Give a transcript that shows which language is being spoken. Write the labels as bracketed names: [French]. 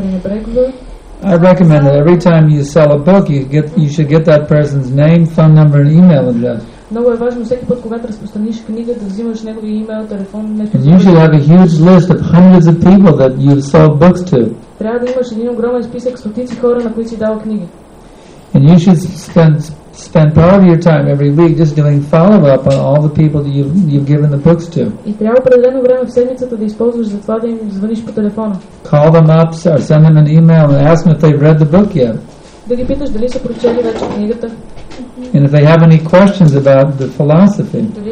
[English] I recommend that every time you sell a book, you should get that person's name, phone number, and email address. [Bulgarian] Много е важно всеки път, когато разпространиш книга, да взимаш неговия имейл, телефон, нещо. [English] And you should have a huge list of hundreds of people that you've sold books to. [Bulgarian] Трябва да имаш един огромен списък с стотици хора, на които си дал книги. [English] And you should spend part of your time every week just doing follow-up on all the people that you've given the books to. [Bulgarian] И трябва определено време в седмицата да използваш за това да им звъниш по телефона. [English] Call them up or send them an email and ask them if they've read the book yet. [Bulgarian] Да ги питаш дали са прочели вече книгата. [English] And if they have any questions about the philosophy.